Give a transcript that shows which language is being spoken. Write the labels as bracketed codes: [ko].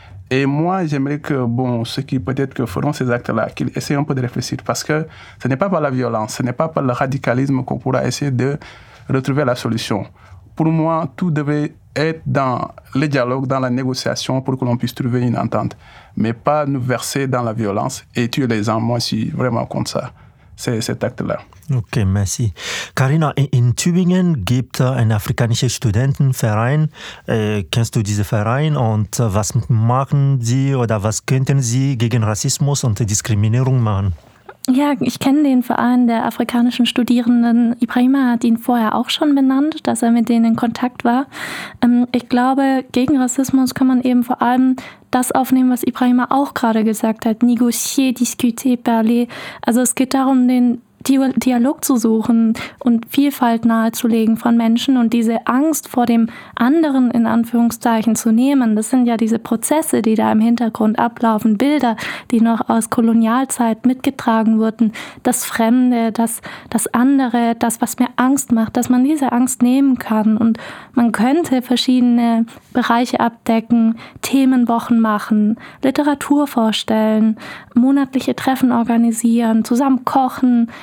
[fr] Et moi, j'aimerais que, bon, ceux qui peut-être que feront ces actes-là, qu'ils essayent un peu de réfléchir, parce que ce n'est pas par la violence, ce n'est pas par le radicalisme qu'on pourra essayer de retrouver la solution. Pour moi, tout devait être dans le dialogue, dans la négociation, pour que l'on puisse trouver une entente, mais pas nous verser dans la violence et tuer les gens. Moi, je suis vraiment contre ça, cet acte-là. Ok, merci. [de] Karina, in Tübingen gibt es einen afrikanischen Studentenverein. Kennst du diesen Verein und was machen sie oder was könnten sie gegen Rassismus und Diskriminierung machen? Ja, ich kenne den Verein der afrikanischen Studierenden. Ibrahima hat ihn vorher auch schon benannt, dass er mit denen in Kontakt war. Ich glaube, gegen Rassismus kann man eben vor allem das aufnehmen, was Ibrahima auch gerade gesagt hat. [fr] Négocier, discuter, parler. [de] Also es geht darum, den Dialog zu suchen und Vielfalt nahezulegen von Menschen und diese Angst vor dem anderen in Anführungszeichen zu nehmen. Das sind ja diese Prozesse, die da im Hintergrund ablaufen, Bilder, die noch aus Kolonialzeit mitgetragen wurden, das Fremde, das andere, das, was mir Angst macht, dass man diese Angst nehmen kann und man könnte verschiedene Bereiche abdecken, Themenwochen machen, Literatur vorstellen, monatliche Treffen organisieren, zusammen kochen.